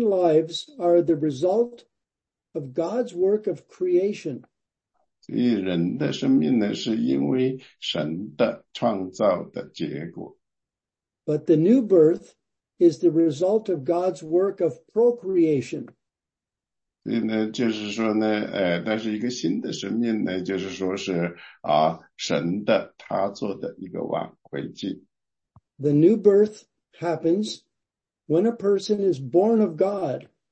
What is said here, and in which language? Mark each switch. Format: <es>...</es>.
<en>lives are the result of God's work of creation.</en> <zh>所以人的生命呢，是因为神的创造的结果。</zh> <en>But the new birth is the result of God's work of procreation.</en> <zh>所以呢，就是说呢，但是一个新的生命呢，就是说是啊，神的他做的一个挽回祭。</zh> <en>The new birth happens when a person is born of God.</en>